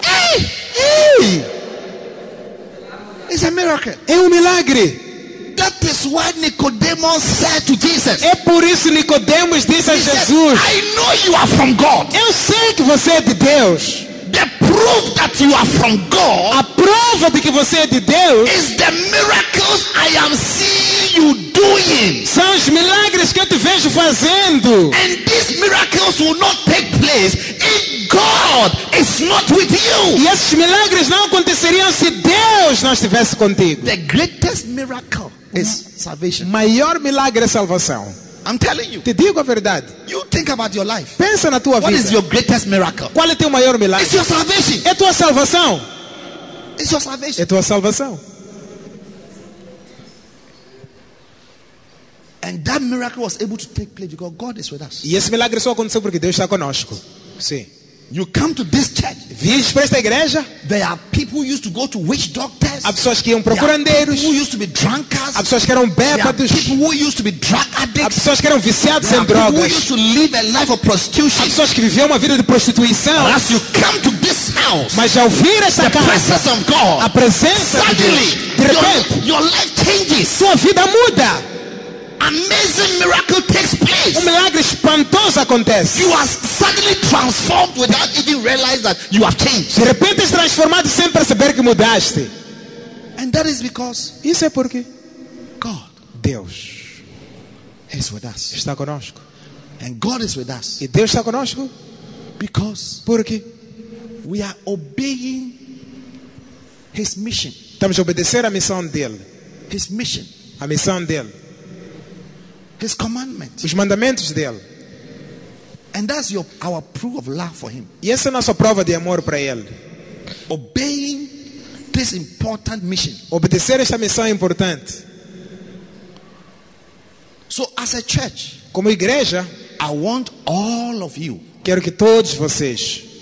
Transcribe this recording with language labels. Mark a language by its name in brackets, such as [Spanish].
[English] Hey. It's a miracle. [Portuguese] É milagre. [English] That is what Nicodemus said to Jesus. [Portuguese] É por isso Nicodemus disse [English] he [Portuguese] a Jesus. [English] Said, I know you are from God. [Portuguese] Eu sei que você é de Deus. [English] The proof that you are from God. [Portuguese] A prova de que você é de Deus. [English] Is the miracles I am seeing you doing. [Portuguese] São os milagres que eu te vejo fazendo. [English] And these miracles will not take place if God is not with you. [Portuguese] E esses milagres não aconteceriam se Deus não estivesse contigo. [English] The greatest miracle is salvation. [Portuguese] Maior milagre é salvação. [English] I'm telling you. [Portuguese] Te digo a verdade. [English] You think about your life. [Portuguese] Pensa na tua [English] what [Portuguese] vida. [English] What is your greatest miracle? [Portuguese] Qual é teu maior milagre? [English] It's your salvation. [Portuguese] É tua salvação. [English] It's your salvation. [Portuguese] É tua salvação. [English] And that miracle was able to take place because God is with us. [Portuguese] E esse milagre só aconteceu porque Deus está conosco. Sim. [English] You come to this church. [Portuguese] Vieste para esta igreja? [English] There are people who used to go to witch doctors. [Portuguese] Há pessoas que iam para curandeiros. [English] Who used to be drunkards? [Portuguese] Há pessoas que eram bêbados. [English] People who used to be drug addicts. [Portuguese] Há pessoas que eram viciados [English] there [Portuguese] em drogas. [English] Who used to live a life of prostitution. [Portuguese] Há pessoas que viviam uma vida de prostituição. [English] But as you come to this house, [Portuguese] mas ao vir esta [English] the [Portuguese] casa, [English] presence of God, [Portuguese] a presença [English] suddenly, [Portuguese] de Deus, de repente, [English] your life changes. [Portuguese] Sua vida muda. [English] Amazing miracle takes place. [Portuguese] Um milagre espantoso acontece. [English] You are suddenly transformed without even realizing that you have changed. [Portuguese] De repente és transformado sem perceber que mudaste. [English] And that is because [Portuguese] isso é porque [English] God, [Portuguese] Deus, [English] is with us. [Portuguese] Está conosco. [English] And God is with us. [Portuguese] E Deus está conosco [English] because [Portuguese] porque [English] we are obeying His mission. [Portuguese] Estamos a obedecer a missão dele. [English] His mission. [Portuguese] A missão dele. [English] His commandments. [Portuguese] Os mandamentos dele. [English] And that's your our proof of love for him. [Portuguese] E essa é a nossa prova de amor para ele. [English] Obeying this important mission. [Portuguese] Obedecer esta missão importante. [English] So as a church, [Portuguese] como igreja, [English] I want all of you. [Portuguese] Quero que todos vocês